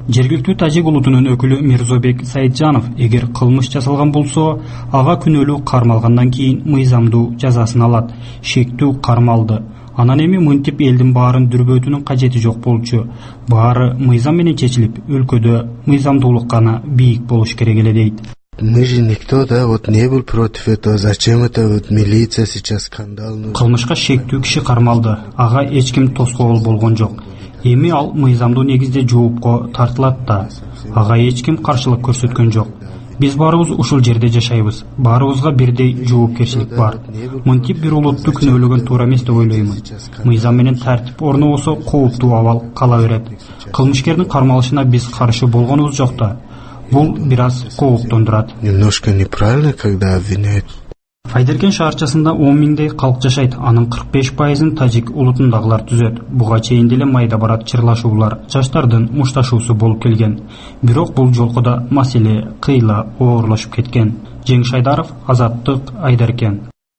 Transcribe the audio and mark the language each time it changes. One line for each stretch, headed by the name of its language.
Kyrgyz: Жергиликтүү тажик улутунун өкүлү Мирзобек Сайтжанов эгер кылмыш жасалган болсо, ага күнөөлүү кармалгандан кийин мыйзамдуу жазасын алат. Шектүү кармалды. Анан эми мынтип элдин баарын дүрбөтүүнүн кажети жок болчу. Баары мыйзам менен чечилип, өлкөдө мыйзамдуулук гана бийик болуш керек эле дейт.
Russian: Мы же никто, да, вот не был против этого, зачем это вот милиция сейчас скандал?
Kyrgyz: Кылмышка шектүү киши кармалды, ага эч ким тоскоол болгон жок. Эми ал мыйзамдуу негизде жоопко тартылат да, ага эч ким каршылык көрсөткөн жок. Биз баарыбыз ушул жерде жашайбыз, баарыбызга бирдей жоопкерчилик бар. Мынтип бир улутту күнөөлөгөн туура эмес деп ойлоймун. Мыйзам менен тартип орноосо кооптуу абал кала берет. Кылмышкердин кармалышына биз каршы болгонубуз жок да. Бул бир аз кооптондурат.
Russian: Немножко неправильно, когда обвиняют.
Kyrgyz: Айдеркен шаарчасында 10 миңдей калк жашайт, анын 45% тажик улутундагылар түзөт. Буга чейин деле майда барат чырлашуулар, жаштардын мушташуусу болуп келген. Бирок бул жолку да маселе кыйла оорлошуп кеткен. Жеңиш Айдаров, Азаттык, Айдеркен.